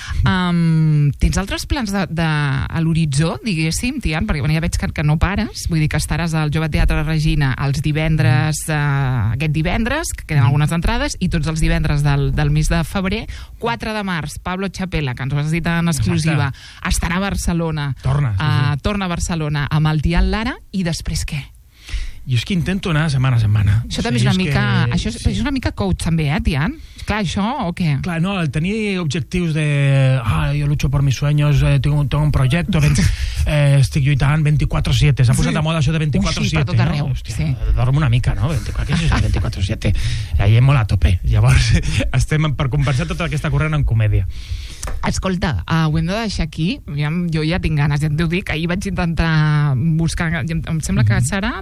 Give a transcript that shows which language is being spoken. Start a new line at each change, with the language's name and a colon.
Catalan: Tens altres plans a l'horitzó, diguéssim, Tian, perquè bueno, ja veig que no pares, vull dir que estaràs al Jove Teatre Regina els divendres, aquest divendres, que queden algunes entrades, i tots els divendres del mes de febrer, 4 de març, Pablo Chapela, que ens ho has dit en exclusiva, estarà a Barcelona. Torna. Sí, sí. Torna a Barcelona amb el Tian Lara i després què? Jo és que intento anar setmana a setmana. Això també és una mica... Això és una mica coach també, Tian? Clar, això o què? Clar, no, el tenir objectius de...
Spanish: jo lucho por mis sueños, tengo un proyecto,
Catalan: estic lluitant 24-7. S'ha posat de moda això de 24-7. Sí, per tot arreu. No? Hòstia, sí. Dormo una mica, no? 24-7. La gent molt a tope. Llavors, estem per compensar tota aquesta corrent en comèdia. Escolta, ho hem de deixar aquí. Jo ja tinc ganes, ja t'ho dic. Ahir vaig intentar buscar... Em sembla que serà...